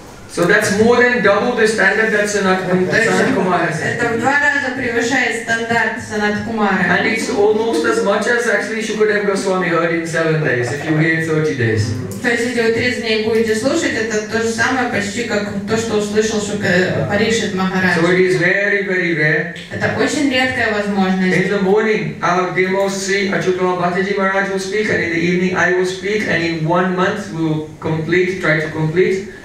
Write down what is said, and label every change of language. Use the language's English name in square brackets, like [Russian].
[English] So that's more than double the standard that Sanat Kumar has. [Russian] Это в два раза превышает стандарт Sanat Kumar. [English] And it's almost as much as actually Shukadeva Goswami heard in 7 days, if you hear in 30 days. [Russian] То есть, если вы 30 дней будете слушать, это то же самое почти, как то, что услышал Парикшит Махарадж. [English] So it is very, very rare. [Russian] Это очень редкая возможность. [English] In the morning, our devotee Sri Achyutala Bhattaji Maharaj will speak, and in the evening I will speak, and in 1 month we will complete, try to complete,